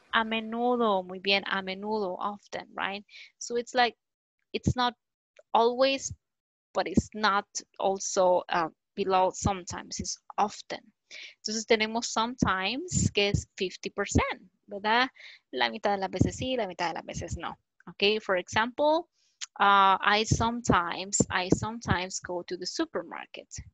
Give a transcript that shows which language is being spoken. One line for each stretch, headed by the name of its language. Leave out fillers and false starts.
Spanish: A menudo, muy bien, a menudo,
English: often, right? So it's like, it's not always, but it's not also below sometimes, it's often.
Spanish: Entonces tenemos sometimes, que es 50%, ¿verdad? La mitad de las veces sí, la mitad de las veces no.
English: Okay, for example, I sometimes go to the supermarket.